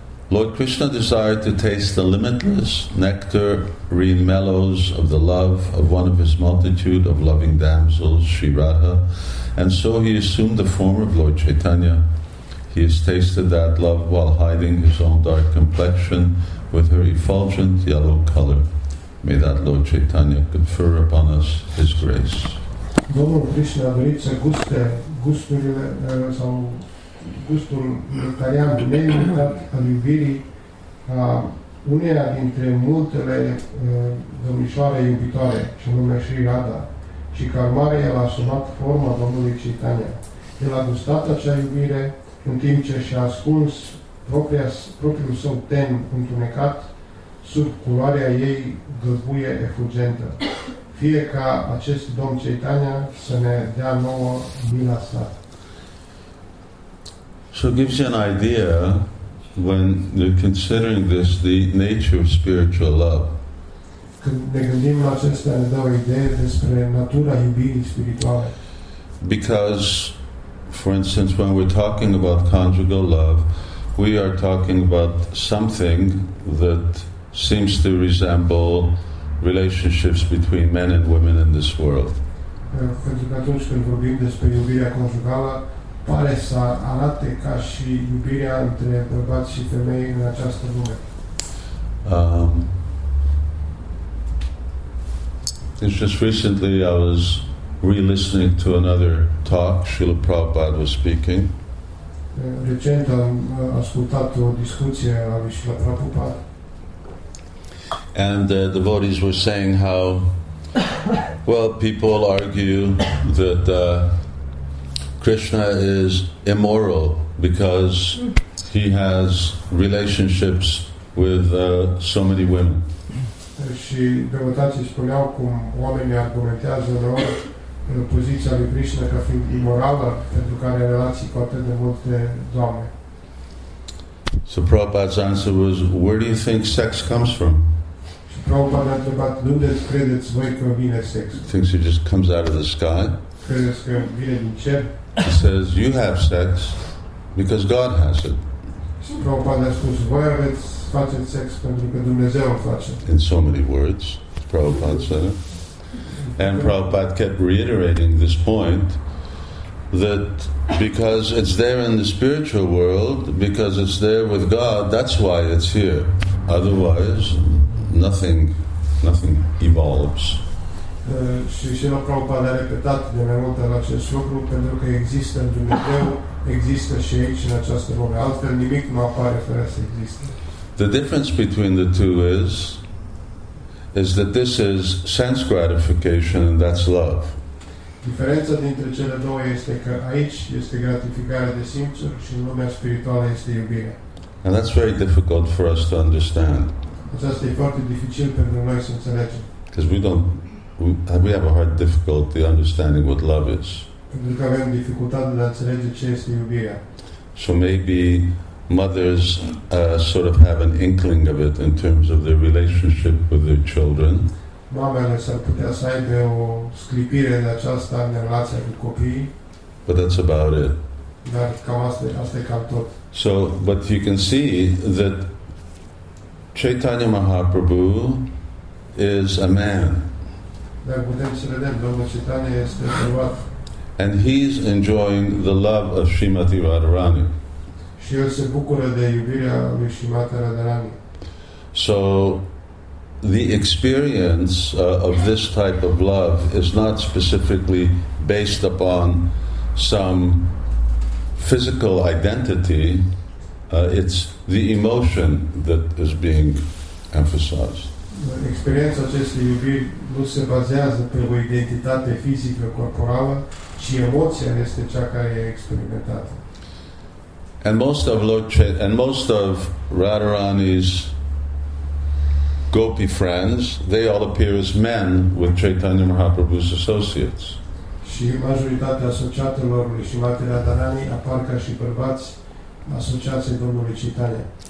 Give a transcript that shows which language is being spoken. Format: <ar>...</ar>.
<en>Lord Krishna desired to taste the limitless nectar green mellows of the love of one of his multitude of loving damsels, Sri Radha, and so he assumed the form of Lord Chaitanya. He has tasted that love while hiding his own dark complexion with her effulgent yellow color. May that Lord Chaitanya confer upon us his grace.</en> <ro>Domnul Krishna a dorit să guste gusturile sau gustul tarian neînvinat al iubirii, unirea dintre multele domnișoare iubitoare, și anume Sri Radha, și ca urmare el a asumat forma Domnului Chaitanya. El a gustat acea iubire în timp ce și-a ascuns propriul său ten întunecat sub culoarea ei găbuie efugentă. Fie ca acest Domn Chaitanya să ne dea nouă mila sa.</ro> <en>So it gives you an idea when you're considering this, the nature of spiritual love.</en> <ro>Când ne gândim la acestea, ne dă o idee despre natura iubirii spirituale.</ro> <en>Because, for instance, when we're talking about conjugal love, we are talking about something that seems to resemble relationships between men and women in this world.</en> <ro>Pentru că atunci când vorbim despre iubirea conjugală, pare să arate ca și iubirea între bărbați și femei în această lume.</ro> <en>It's just recently I was re-listening to another talk Srila Prabhupada was speaking.</en> <ro>Recent am ascultat o discuție a lui Srila Prabhupada.</ro> <en>And the devotees were saying how, well, people argue that Krishna is immoral because he has relationships with so many women.</en> <ro>Și devotații spuneau cum oamenii argumentează rău în poziția lui Krishna ca fiind imorală pentru că are relații cu atât de multe doamne.</ro> <en>So Prabhupada's answer was, where do you think sex comes from?</en> <ro>Prabhupada a întrebat, unde credeți voi că vine sex?</ro> <en>Thinks it just comes out of the sky.</en> <ro>Credeți că vine din cer?</ro> <en>He says, you have sex because God has it.</en> <ro>Prabhupada a spus, voi aveți, faceți sex pentru că Dumnezeu face.</ro> <en>In so many words, Prabhupada said it. And Prabhupada kept reiterating this point that because it's there in the spiritual world, because it's there with God, that's why it's here. Otherwise, nothing evolves.</en> <ro>Și Srila Prabhupada a repetat de mai multe ori acest lucru, pentru că există în Dumnezeu, există și aici în această lume. Altfel nimic nu apare fără să existe.</ro> <en>The difference between the two is that this is sense gratification and that's love.</en> <ro>Diferența dintre cele două este că aici este gratificarea de simțuri și în lumea spirituală este iubirea.</ro> <en>And that's very difficult for us to understand.</en> <ro>Aceasta e foarte dificil pentru noi să înțelegem.</ro> <en>Because we have a hard difficulty understanding what love is.</en> <ro>Pentru că avem dificultate de a înțelege ce este iubirea.</ro> <en>So maybe mothers sort of have an inkling of it in terms of their relationship with their children.</en> <ro>Mamele s-ar putea să aibă o sclipire de aceasta în relația cu copiii.</ro> <en>But that's about it.</en> <ro>Dar cam asta e cam tot.</ro> <en>So, but you can see that Chaitanya Mahaprabhu is a man.</en> <ro>Dar putem să vedem, Domnul Chaitanya este bărbat.</ro> <en>And he's enjoying the love of Srimati Radharani.</en> <ro>Și el se bucură de iubirea lui Srimati Radharani.</ro> <en>So the experience of this type of love is not specifically based upon some physical identity. It's the emotion that is being emphasized.</en> <ro>Experiența acestei iubiri nu se bazează pe o identitate fizică corporală, ci emoția este cea care e experimentată.</ro> <en>And most of Radharani's gopi friends, they all appear as men with Chaitanya Mahaprabhu's associates.</en> <ro>Și majoritatea asociatelor lui Srimati Radharani apar ca și bărbați asociații Domnului Chaitanya.</ro>